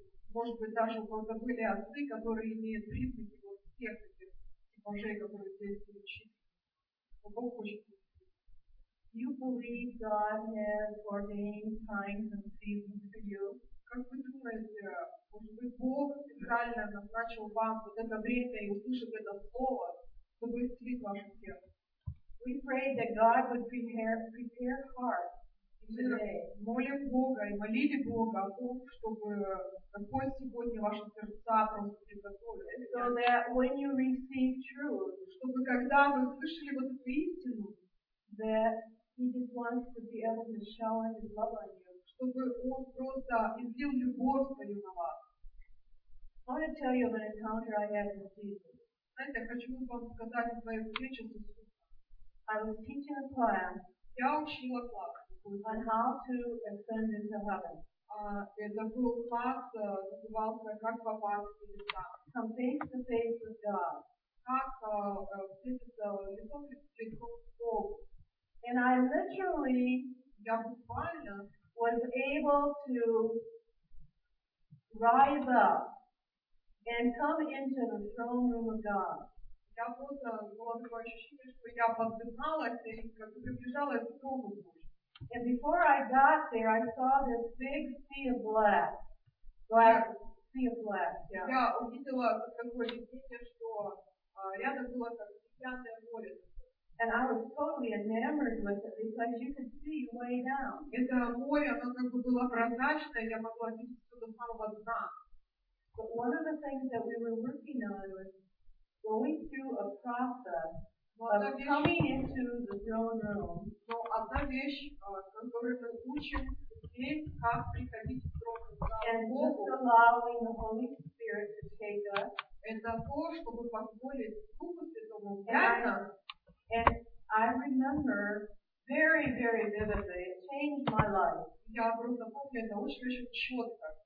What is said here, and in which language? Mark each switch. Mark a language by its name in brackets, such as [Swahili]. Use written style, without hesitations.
[Russian] Может быть, даже у кого-то были отцы, которые имеют признаки вот всех этих типажей, которые здесь перечислены. Бог хочет исцелить. [English] You believe God has ordained times and seasons for you? [Russian] Как вы думаете, может быть, Бог специально назначил вам вот это время и услышит это слово, чтобы исцелить ваше сердце? [English] We pray that God would prepare hearts today. [Russian] Молим Бога и молили Бога о том, чтобы Господь сегодня ваши сердца просто приготовили. [English] So that when you receive truth, [Russian] чтобы когда вы услышали вот эту истину, [English] that He just wants to be able to shower His love on you. [Russian] Чтобы Он просто излил любовь свою на вас. [English] I want to tell you of an encounter I had with Jesus. [Russian] Знаете, я хочу вам сказать о своей встрече с Иисусом. [English] I was teaching a class. [Russian] Я учила класс [English] on how to ascend into heaven. [Russian] Это был класс, назывался как попасть в небеса. [English] Come face to face with God. [Russian] Как встретиться лицом к лицу с Богом. [English] And I literally was able to rise up and come into the throne room of God. [Russian] Я просто была такое ощущение, что я поднималась и как бы приближалась к трону Божьему. [English] And before I got there, I saw this big sea of glass. [Russian] Я увидела такое видение, что рядом было как стеклянное море. [English] And I was totally enamored with it because you could see way down. [Russian] Это море, оно как бы было прозрачное, я могла видеть все до самого дна. [English] But one of the things that we were working on was going through a process of coming into the throne room. [Russian] Но одна вещь, которую мы учим, здесь, как приходить в трон Господа. [English] And allowing the Holy Spirit to take us. [Russian] Это то, чтобы позволить Духу Святому взять нас. [English] And I remember very, very vividly, it changed my life. [Russian] Я просто помню это очень-очень четко.